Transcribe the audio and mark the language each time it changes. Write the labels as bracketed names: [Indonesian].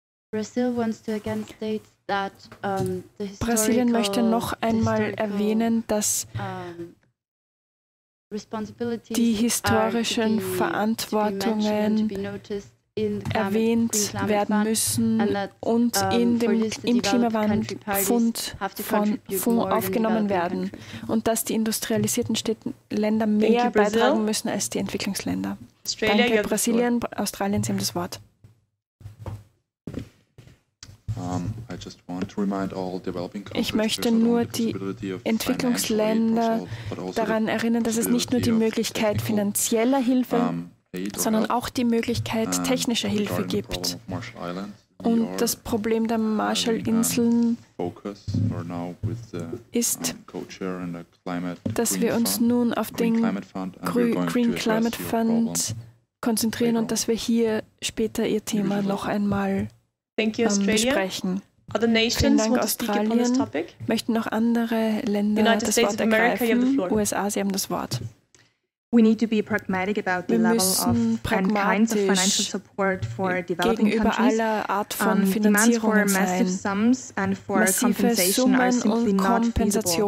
[English] Brazil wants to again state that the historical [German] Brasilien möchte noch einmal erwähnen, dass die historischen Verantwortungen erwähnt werden müssen und in dem im Klimawandelfonds aufgenommen werden und dass die industrialisierten Länder mehr beitragen müssen als die Entwicklungsländer. [English] Australia, [German] Danke, Brasilien, Australien, Sie haben das Wort. [English] I just want to remind all developing countries [German] ich möchte nur die Entwicklungsländer daran erinnern, dass es nicht nur die Möglichkeit finanzieller Hilfe, sondern auch die Möglichkeit technischer Hilfe gibt. Und das Problem der Marshallinseln ist, dass wir uns nun auf den Green Climate Fund konzentrieren und dass wir hier später Ihr Thema noch einmal besprechen. [English] Other nations want to speak on this topic? [German] Möchten noch andere Länder das Wort ergreifen? USA, Sie haben das Wort. [English] We need to be pragmatic about the level of and kinds of financial support for developing countries. Demands for massive sums and for compensation are simply not feasible.